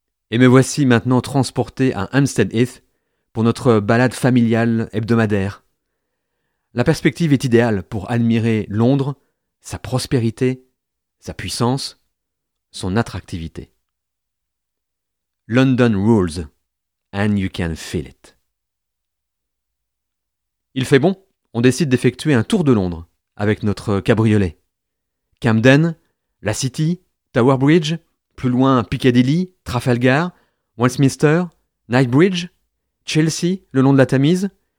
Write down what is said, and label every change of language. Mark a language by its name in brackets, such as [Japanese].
[French] Et me voici maintenant transporté à Hampstead Heath pour notre balade familiale hebdomadaire. La perspective est idéale pour admirer Londres, sa prospérité, sa puissance, son attractivité. [English] London rules, and you can feel it. [French] Il fait bon, on décide d'effectuer un tour de Londres avec notre cabriolet. Camden, la City, Tower Bridge, plus loin Piccadilly, Trafalgar, Westminster, Knightsbridge, Chelsea, le long de la Tamise.